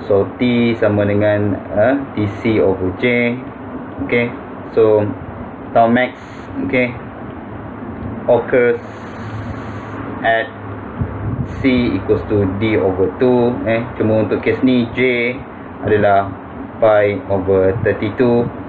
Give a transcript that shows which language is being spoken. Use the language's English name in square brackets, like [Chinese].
[Malay] So T sama dengan TC over J. [English] Okay, so tau max, okay, occurs at C equals to D over 2. [Malay] Cuma untuk kes ni J adalah pi over 32.